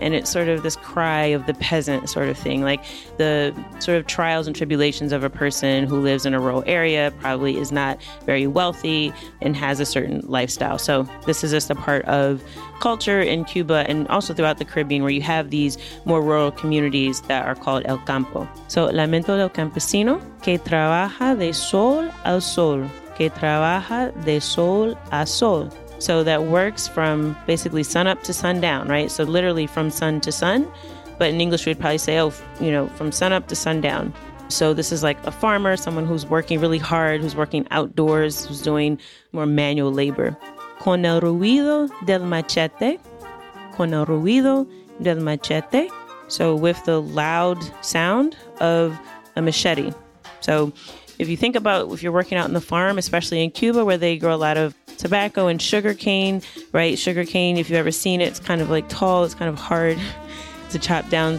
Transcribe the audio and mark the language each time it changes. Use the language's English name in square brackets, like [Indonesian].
[English] And it's sort of this cry of the peasant sort of thing, like the sort of trials and tribulations of a person who lives in a rural area, probably is not very wealthy and has a certain lifestyle. So this is just a part of culture in Cuba and also throughout the Caribbean, where you have these more rural communities that are called El Campo. [Spanish] So Lamento del Campesino, que trabaja de sol a sol, que trabaja de sol a sol. [English] So that works from basically sun up to sundown, right? So literally from sun to sun. But in English, we'd probably say, oh, you know, from sun up to sundown. So this is like a farmer, someone who's working really hard, who's working outdoors, who's doing more manual labor. [Spanish] Con el ruido del machete. Con el ruido del machete. [English] So with the loud sound of a machete. So if you think about if you're working out in the farm, especially in Cuba, where they grow a lot of tobacco and sugarcane, right? Sugarcane, if you've ever seen it, it's kind of like tall, it's kind of hard to chop down.